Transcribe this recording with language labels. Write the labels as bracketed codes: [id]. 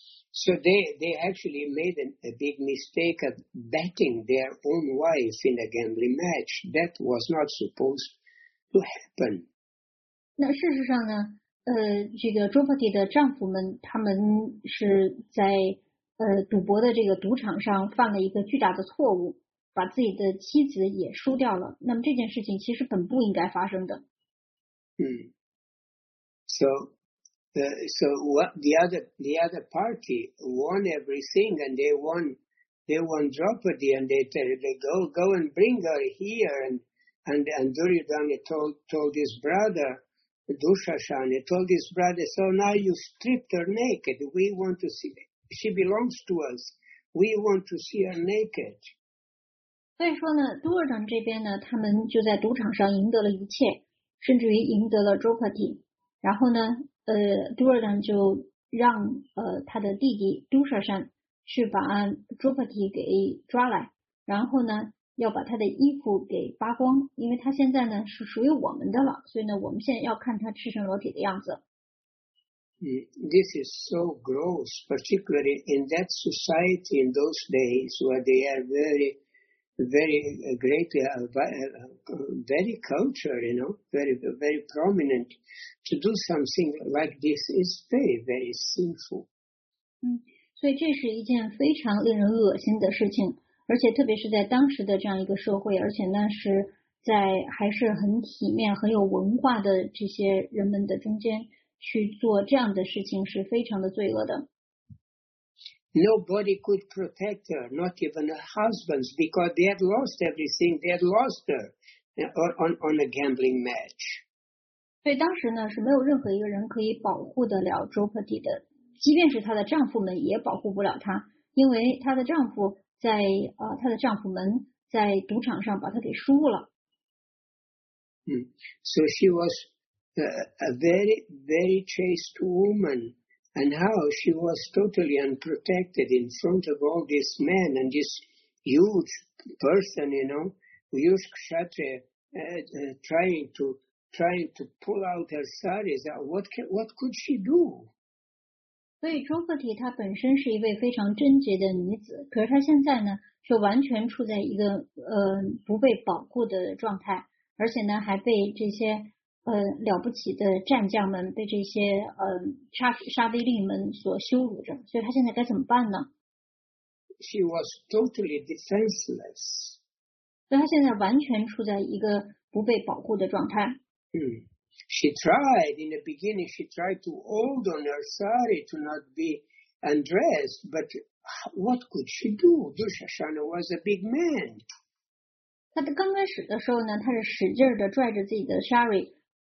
[en] So they actually made a big mistake of betting their own wife in a gambling match. That was not supposed to happen. [zh] 那事实上呢，这个朱帕提的丈夫们，他们是在赌博的这个赌场上犯了一个巨大的错误，把自己的妻子也输掉了。那么这件事情其实本不应该发生的。 [en] So what the other party won everything, and they won Draupadi, and they tell her, go and bring her here, and Duryodhana told his brother Dushasana, told his brother, so now you stripped her naked, we want to see, she belongs to us, we want to see her naked. [zh] 所以说呢，杜尔丹这边呢，他们就在赌场上赢得了一切，甚至于赢得了 Draupadi， 然后呢杜尔丹就让他的弟弟杜舍山去把朱帕提给抓来，然后呢要把他的衣服给扒光，因为他现在呢是属于我们的了，所以呢我们现在要看他赤身裸体的样子。 [en] This is so gross, particularly in that society in those days where they are very, very greatly, very cultured, you know, very, very prominent. To do something like this is very, very sinful. [zh] 所以这是一件非常令人恶心的事情，而且特别是在当时的这样一个社会，而且那是在还是很体面、很有文化的这些人们的中间去做这样的事情，是非常的罪恶的。 [en] Nobody could protect her, not even her husbands, because they had lost everything. They had lost her on a gambling match. [zh] 所以当时呢是没有任何一个人可以保护得了 Draupadi 的，即便是她的丈夫们也保护不了她，因为她的丈夫在她的丈夫们在赌场上把她给输了。 [en] So she was a very, very chaste woman. And how she was totally unprotected in front of all these men and this huge person, you know, huge kshatriya, trying to pull out her saris. What could she do? [zh] 所以周克提她本身是一位非常贞洁的女子，可是她现在呢，却完全处在一个不被保护的状态，而且呢，还被这些。了不起的战将们被这些沙地利们所羞辱着，所以他现在该怎么办呢？ [en] She was totally defenseless. [zh] 所以他现在完全处在一个不被保护的状态。 [en] She tried in the beginning, she tried to hold on her sari to not be undressed, but what could she do? Dushasana was a big man. [zh] 他刚开始的时候呢，他是使劲的拽着自己的sari。